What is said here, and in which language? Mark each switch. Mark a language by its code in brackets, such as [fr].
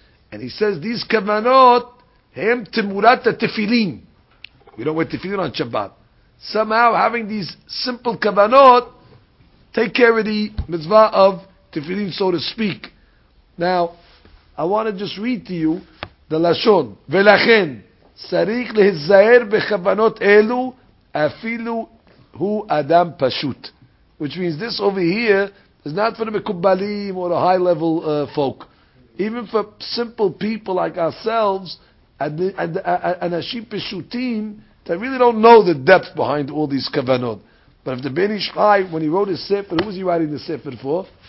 [en] And he says, these kavanot, [he] hem timurat tefillin. [en] We don't wear tefillin on Shabbat. Somehow, having these simple kavanot, take care of the mitzvah of tefillin, so to speak. Now, I want to just read to you the Lashon. [he] Velachen. צריך להיזהר בכוונות אלו אפילו הוא אדם פשוט. [en] Which means this over here is not for the מקובלים or the high level folk. Even for simple people like ourselves and [he] אנשים פשוטים [en] that really don't know the depth behind all these כוונות. But if the Ben Ish Chai, when he wrote his sefer, who was he writing the sefer for?